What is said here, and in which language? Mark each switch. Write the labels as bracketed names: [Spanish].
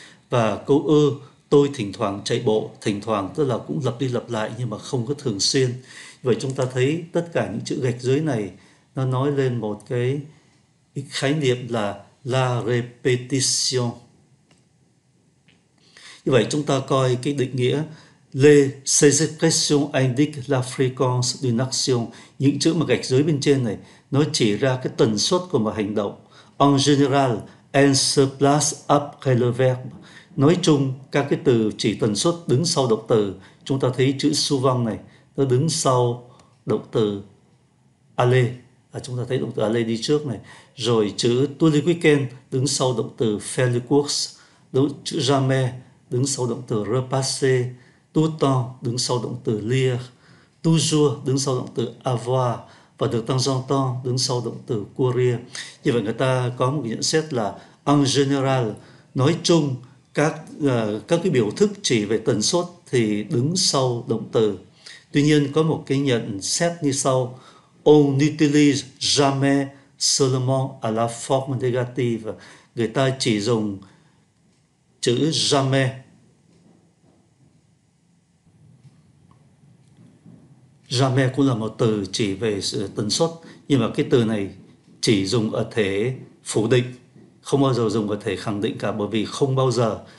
[Vietnamese] Và câu E, tôi thỉnh thoảng chạy bộ, thỉnh thoảng tức là cũng lặp đi lặp lại nhưng mà không có thường xuyên. Vậy chúng ta thấy tất cả những chữ gạch dưới này nó nói lên một cái khái niệm là la répétition. Như vậy chúng ta coi cái định nghĩa. [French] Les expressions indiquent la fréquence d'une action. [Vietnamese] Những chữ mà gạch dưới bên trên này, nó chỉ ra cái tần suất của một hành động. [French] En général, elles se placent après le verbe. [Vietnamese] Nói chung, các cái từ chỉ tần suất đứng sau động từ. Chúng ta thấy chữ souvent này, nó đứng sau động từ aller. À, chúng ta thấy động từ aller đi trước này. Rồi chữ tous les week-ends đứng sau động từ faire les courses. Chữ jamais đứng sau động từ repasser. Tout temps đứng sau động từ lire. Toujours đứng sau động từ avoir. Và de temps en temps đứng sau động từ courir. Như vậy người ta có một nhận xét là [French] en général, [Vietnamese] nói chung các cái biểu thức chỉ về tần suất thì đứng sau động từ. Tuy nhiên có một cái nhận xét như sau. [French] On utilise jamais seulement à la forme négative. [Vietnamese] Người ta chỉ dùng chữ jamais. Jamais cũng là một từ chỉ về sự tần suất, nhưng mà cái từ này chỉ dùng ở thể phủ định, không bao giờ dùng ở thể khẳng định cả, bởi vì không bao giờ.